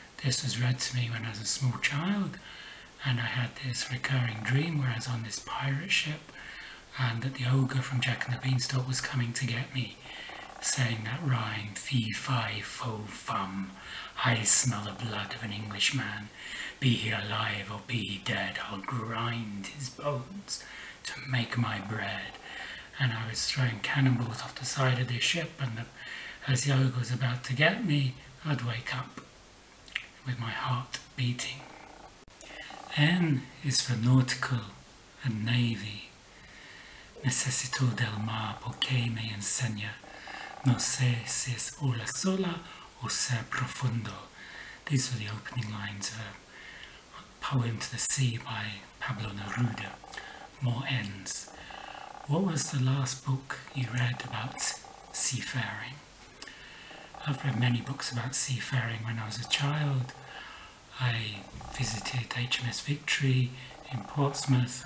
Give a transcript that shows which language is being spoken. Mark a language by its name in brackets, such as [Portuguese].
[English] This was read to me when I was a small child, and I had this recurring dream where I was on this pirate ship, and that the ogre from Jack and the Beanstalk was coming to get me, saying that rhyme, fee, fi, fo, fum, I smell the blood of an Englishman, be he alive or be he dead, I'll grind his bones to make my bread. And I was throwing cannonballs off the side of this ship, and as the ogre was about to get me, I'd wake up with my heart beating. N is for nautical and navy. [Spanish] Necesito del mar porque me enseña. No sé si es ola sola o ser profundo. [English] These were the opening lines of a poem to the sea by Pablo Neruda. More ends. What was the last book you read about seafaring? I've read many books about seafaring when I was a child. I visited HMS Victory in Portsmouth.